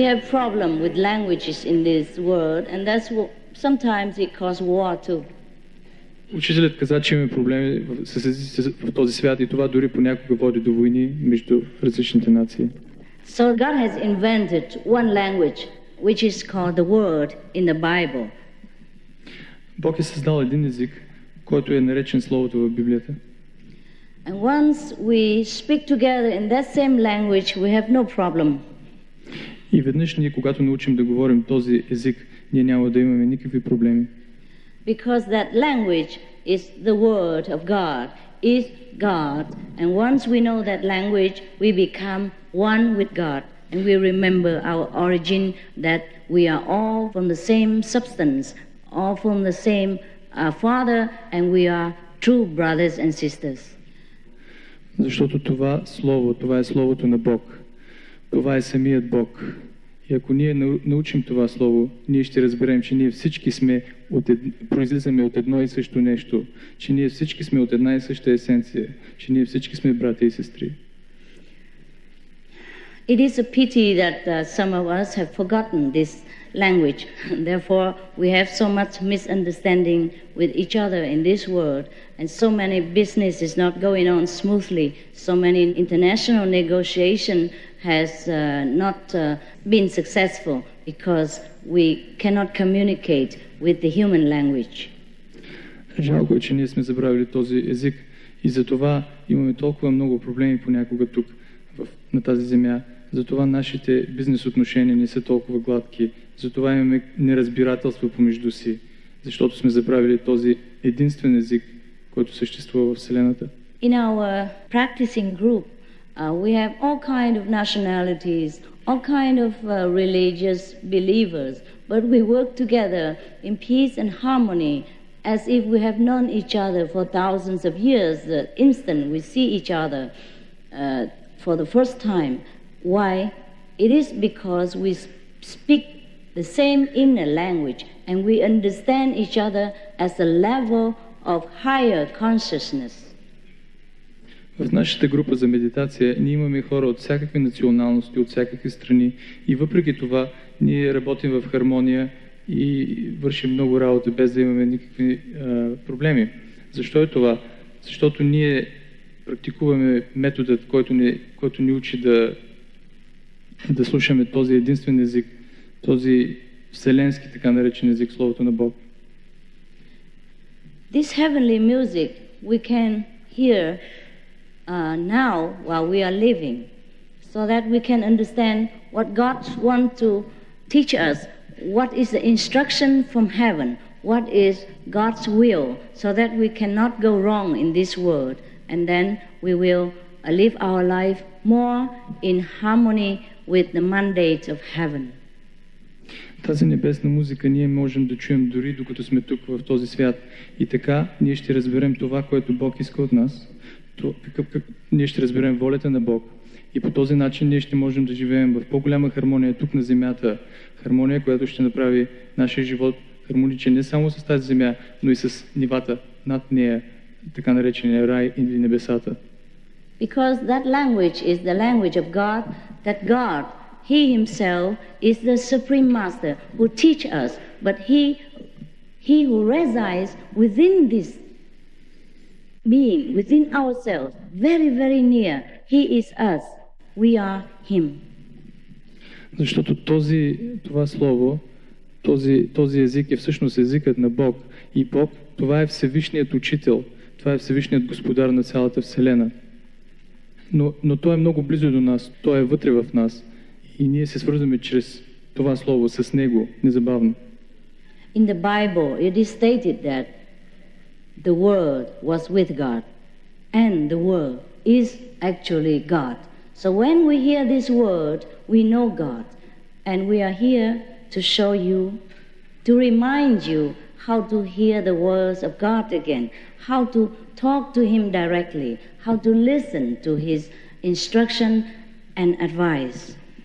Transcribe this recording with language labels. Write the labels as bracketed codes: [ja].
[en] Problem with languages in this world, and that's what sometimes it causes war too. [bg] Учителят каза, че имаме проблеми в този свят и това дори понякога води до войни между различните нации. [en] So God has invented one language, which is called the word in the Bible. [bg] Бог е създал един език, който е наречен словото в Библията. [en] And once we speak together in that same language, we have no problem. [bg] И веднъж ние, когато научим да говорим този език, ние няма да имаме никакви проблеми. [en] Because that language is the word of God, is God. And once we know that language, we become one with God. And we remember our origin, that we are all from the same substance, all from the same father, and we are true brothers and sisters. [bg] Защото това слово, това е словото на Бог. Това е самият Бог. И ако ние научим това слово, ние ще разберем, че ние всички сме произлизаме от едно и също нещо, че ние всички сме от една и съща есенция, че ние всички сме брати и сестри. [en] It is a pity that some of us have forgotten this language. Therefore, we have so much misunderstanding with each other in this world, and so many business is not going on smoothly. So many international negotiation has not been successful because we cannot communicate with the human language. [bg] Жалко е, че ние сме забравили този език и затова имаме толкова много проблеми понякога тук на тази земя. Затова нашите бизнес отношения не са толкова гладки. Затова имаме неразбирателство помежду си, защото сме забравили този единствен език, който съществува в Вселената. [en] In our practicing group, we have all kind of nationalities, all kind of religious believers, but we work together in peace and harmony, as if we have known each other for thousands of years. The instant we see each other for the first time, why? It is because we speak the same inner language and we understand each other as a level of higher consciousness. [bg] В нашата група за медитация ние имаме хора от всякакви националности, от всякакви страни и въпреки това ние работим в хармония и вършим много работа без да имаме никакви проблеми. Защо е това? Защото ние практикуваме методът, който ни учи да слушаме този единствен език, този вселенски така наречен език, словото на Бог. [en] This heavenly music we can hear now while we are living, so that we can understand what God wants to teach us, what is the instruction from heaven, what is God's will, so that we cannot go wrong in this world, and then we will live our life more in harmony with the mandate of heaven. [bg] Тази небесна музика ние можем да чуем дори докато сме тук в този свят. И така ние ще разберем това, което Бог иска от нас. Ние ще разберем волята на Бог. И по този начин ние ще можем да живеем в по-голяма хармония тук на земята. Хармония, която ще направи нашия живот хармоничен не само с тази земя, но и с нивата над нея, така наречения рай или небесата. [en] Because that language is the language of God, that God, He Himself, is the Supreme Master who teach us, but He who resides within this being, within ourselves, very, very near, He is us, we are Him. [bg] Защото това слово, този език е всъщност езикът на Бог. И Бог, това е Всевишният Учител, това е Всевишният Господар на цялата Вселена. Но Той е много близо до нас, Той е вътре в нас и ние се свързваме чрез това слово с Него незабавно. [en] In the Bible it is stated that the Word was with God and the Word is actually God. So when we hear this word, we know God. And we are here to show you, to remind you how to hear the words of God again, how to talk to Him directly, how to listen to His instruction and advice.